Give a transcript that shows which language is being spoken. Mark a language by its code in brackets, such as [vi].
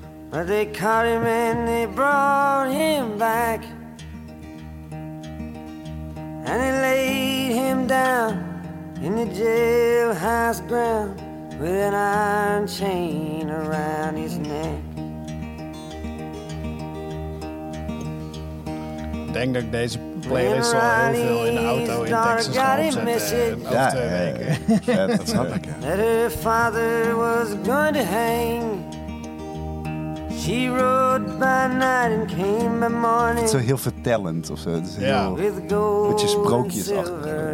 [en] But they caught him and they brought him back. And they laid him down in the jailhouse ground with an iron chain around his neck. [nl] Ik denk dat ik deze playlist al heel veel in de auto in Texas ga opzetten. Dat snap ik. [en] That her father was going to hang. She rode by night and came by morning. [nl] Het is zo heel vertellend of zo. Het is een beetje sprookjesachtig.